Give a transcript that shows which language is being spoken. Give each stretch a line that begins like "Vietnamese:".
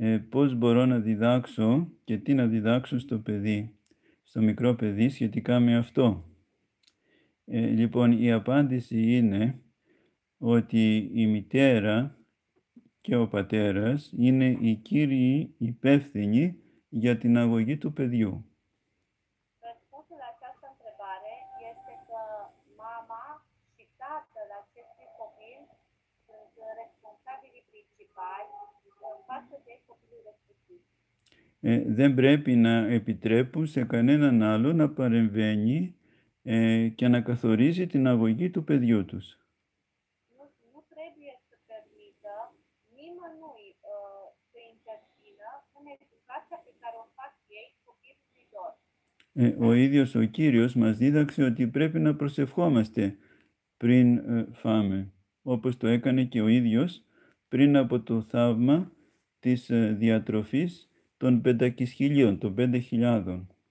Greek: πώς μπορώ να διδάξω και τι να διδάξω στο παιδί, στο μικρό παιδί σχετικά με αυτό. Λοιπόν, η απάντηση είναι ότι η μητέρα και ο πατέρας είναι οι κύριοι υπεύθυνοι για την αγωγή του παιδιού.
Romanian: Răspunsul la această întrebare este că mama și tatăl acestui copil sunt responsabili principali în față de copilul respectiv.
Greek: Δεν πρέπει να επιτρέπουν σε κανέναν άλλο να παρεμβαίνει και να καθορίζει την αγωγή του παιδιού τους.
Romanian: Nu trebuie să permită nimănui să intervină în educația pe care o fac ei copilului lor.
Greek: Ο ίδιος ο Κύριος μας δίδαξε ότι πρέπει να προσευχόμαστε πριν φάμε, όπως το έκανε και ο ίδιος πριν από το θαύμα της διατροφής των πεντακισχυλίων, των 5.000.